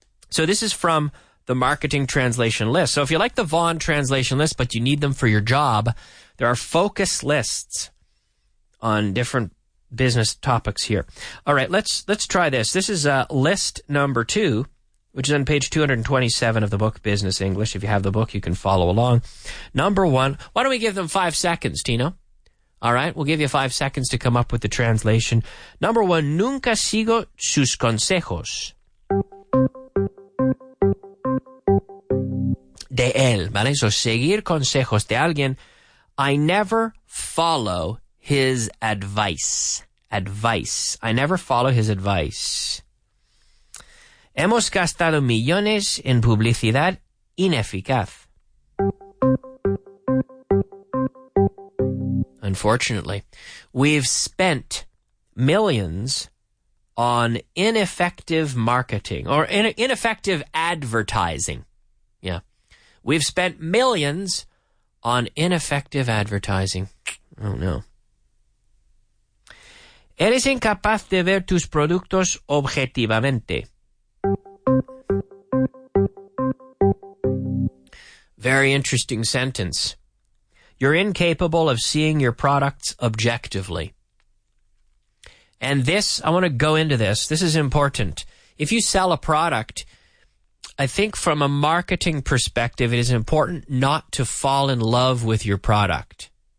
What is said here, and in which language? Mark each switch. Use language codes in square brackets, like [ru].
[en] So this is from the marketing translation list. So if you like the Vaughn translation list, but you need them for your job, there are focus lists on different business topics here. All right, let's try this. This is list number 2, which is on page 227 of the book Business English. If you have the book, you can follow along. Number 1, why don't we give them 5 seconds, Tino? All right, we'll give you 5 seconds to come up with the translation. Number 1, [es] nunca sigo sus consejos. De él, ¿vale? So seguir consejos de alguien. [en] I never follow his advice. I never follow his advice. [es] Hemos gastado millones en publicidad ineficaz. [en] Unfortunately, we've spent millions on ineffective marketing or ineffective advertising. Yeah. We've spent millions on ineffective advertising. Oh, no. [es] Eres incapaz de ver tus productos objetivamente. [en] Very interesting sentence. You're incapable of seeing your products objectively. And this, I want to go into this. This is important. If you sell a product, I think from a marketing perspective, it is important not to fall in love with your product.